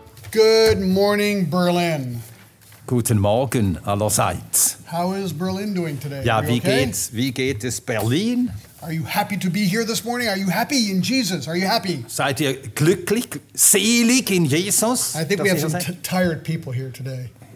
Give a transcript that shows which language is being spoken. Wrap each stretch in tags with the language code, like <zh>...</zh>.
<en>Good morning, Berlin.</en> <de>Guten Morgen allerseits.</de> <en>How is Berlin doing today?</en> <de>Ja, wie geht es Berlin?</de> <en>Are you happy to be here this morning? Are you happy in Jesus? Are you happy?</en> <de>Seid ihr glücklich, selig in Jesus?</de> <en>I think we have some tired people here today.</en>